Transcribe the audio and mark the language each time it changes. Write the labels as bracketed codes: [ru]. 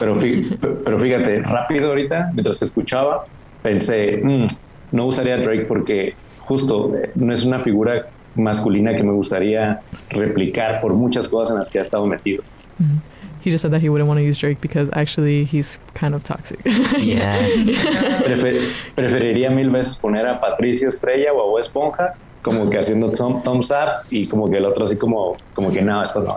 [es] Pero fíjate, rápido ahorita mientras te escuchaba, pensé, no usaría Drake porque justo no es una figura masculina que me gustaría replicar por muchas cosas en las que ha estado metido. Mm-hmm. [en] He just said that he wouldn't want to use Drake because actually he's kind of toxic. Yeah. [es] Preferiría mil veces poner a Patricio Estrella o a Bob Esponja como que haciendo thumbs up y como que el otro así como que nada, esto no.